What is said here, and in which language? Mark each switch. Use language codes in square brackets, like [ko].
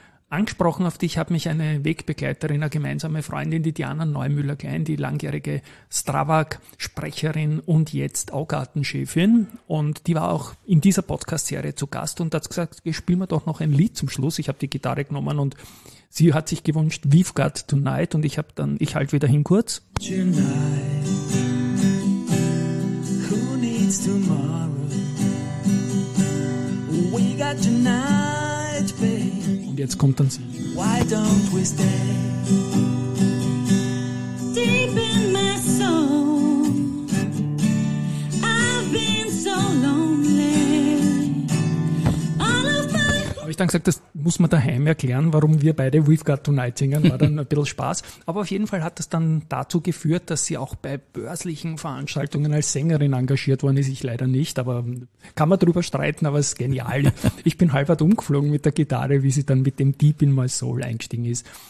[de] Angesprochen auf dich hat mich eine Wegbegleiterin, eine gemeinsame Freundin, die Diana Neumüller-Klein, die langjährige Strabag-Sprecherin und jetzt auch Gartenchefin. Und die war auch in dieser Podcast-Serie zu Gast und hat gesagt, spielen wir doch noch ein Lied zum Schluss. Ich habe die Gitarre genommen und sie hat sich gewünscht, We've Got Tonight. Und ich habe dann, ich halte wieder hin kurz. [en] Tonight, who needs tomorrow? We got tonight, babe. [de] Jetzt kommt dann sie. [en] Why don't we stay? Deep in my soul, I've been so lonely. All of my. [de] Habe ich dann gesagt, das muss man daheim erklären, warum wir beide We've Got Tonight singen. War dann ein bisschen Spaß. Aber auf jeden Fall hat das dann dazu geführt, dass sie auch bei börslichen Veranstaltungen als Sängerin engagiert worden ist. Ich leider nicht, aber kann man drüber streiten, aber es ist genial. Ich bin halb umgeflogen mit der Gitarre, wie sie dann mit dem Deep in My Soul eingestiegen ist.